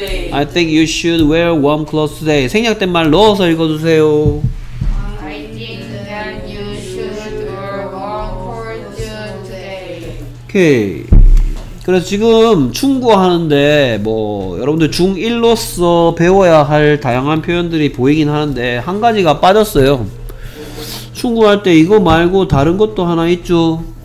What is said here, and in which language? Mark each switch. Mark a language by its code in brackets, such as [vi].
[en] I think you should wear warm clothes today. [ko] 생략된 말 넣어서 읽어주세요. [en] I think that you should wear warm clothes today. Okay. [ko] 그래서 지금 충고하는데 뭐 여러분들 중1로서 배워야 할 다양한 표현들이 보이긴 하는데 한 가지가 빠졌어요. 충고할 때 이거 말고 다른 것도 하나 있죠.